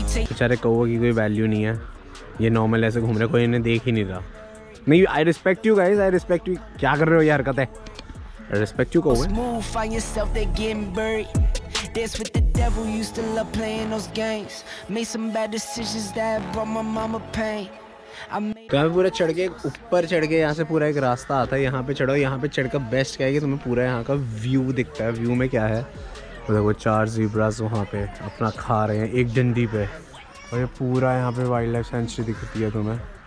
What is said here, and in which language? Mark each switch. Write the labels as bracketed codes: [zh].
[hi] बेचारे कौवे की कोई वैल्यू नहीं है, ये नॉर्मल ऐसे घूम रहे, कोई इन्हें देख ही नहीं रहा। नहीं [en] I respect you guys, I respect you. [hi] क्या कर रहे हो ये हरकत है, आई रिस्पेक्ट यू कौवे। [en] Dance with the devil, used to love playing those games. Made some bad decisions that brought my mama pain. [hi] कभी पूरा चढ़ के ऊपर चढ़ के यहाँ से पूरा एक रास्ता आता है, यहाँ पे चढ़ो, यहाँ पे चढ़ कर बेस्ट क्या है कि तुम्हें पूरा यहाँ का व्यू दिखता है। व्यू में क्या है, मतलब वो चार ज़ेब्रास वहाँ पे अपना खा रहे हैं एक डंडी पे, और ये पूरा यहाँ पे वाइल्ड लाइफ सेंचुरी दिखती है तुम्हें।